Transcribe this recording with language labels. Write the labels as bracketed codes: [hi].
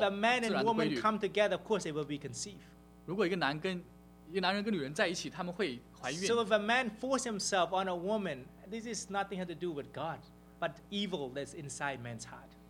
[en] If a man and woman come together, of course, they will be conceived. [zh] 如果一个男跟一个男人跟女人在一起，他们会怀孕。 [en] So if a man force himself on a woman, this is nothing to do with God, but evil that's inside man's heart.